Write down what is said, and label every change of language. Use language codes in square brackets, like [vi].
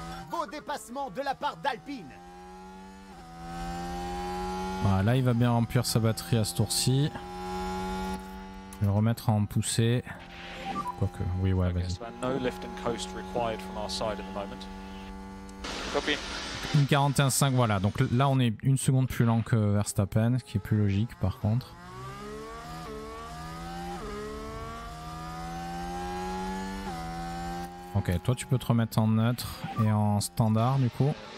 [fr] Beau dépassement de la part d'Alpine. Voilà, là il va bien remplir sa batterie à ce tour-ci. Je vais le remettre en poussée. Quoique, oui, ouais, vas-y. [en] No lift and coast required from our side at the moment. Copy. [fr] 1.41.5, voilà, donc là on est une seconde plus lent que Verstappen, ce qui est plus logique par contre. Ok, toi tu peux te remettre en neutre et en standard du coup.